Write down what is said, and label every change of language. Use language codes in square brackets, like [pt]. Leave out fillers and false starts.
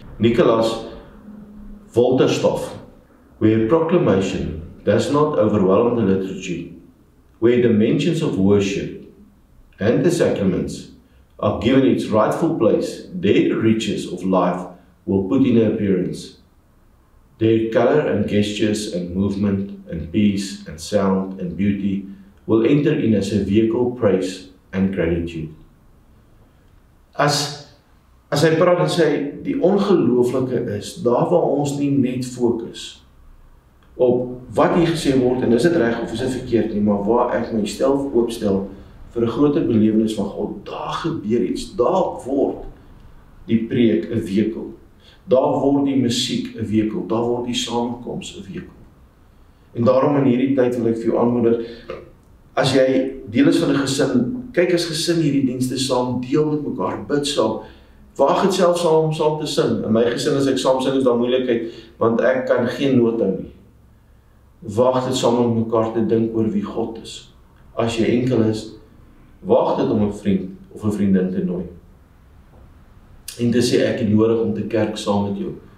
[en] Nicholas Wolterstof, where proclamation does not overwhelm the liturgy, where the mentions of worship and the sacraments are given its rightful place, their riches of life will put in appearance. Their color and gestures and movement and peace and sound and beauty will enter in as a vehicle praise and gratitude. [af] As hy praat en sê, die ongelooflike is, daar waar ons nie net focus op wat hier gesê word, en is dit reg of is dit verkeerd nie, maar waar ek myself opstel vir 'n groter belewenis van God, daar gebeur iets, daar word die preek 'n vehicle, daar word die musiek 'n vehicle, daar word die samenkoms 'n vehicle. En daarom in hierdie tyd wil ek vir jou aanmoedig, as jy deel is van 'n gesin, kyk as gesin hierdie dienste saam, deel met mekaar, bid saam, waag het self saam te sing. In my gesin as ek saam sing is daar moeilikheid, want ek kan geen noot hou nie. Waag het saam met mekaar te dink oor wie God is. As jy enkel is, waag het om 'n vriend of 'n vriendin te nooi. En te sê, ek het nodig om te kerk saam met jou.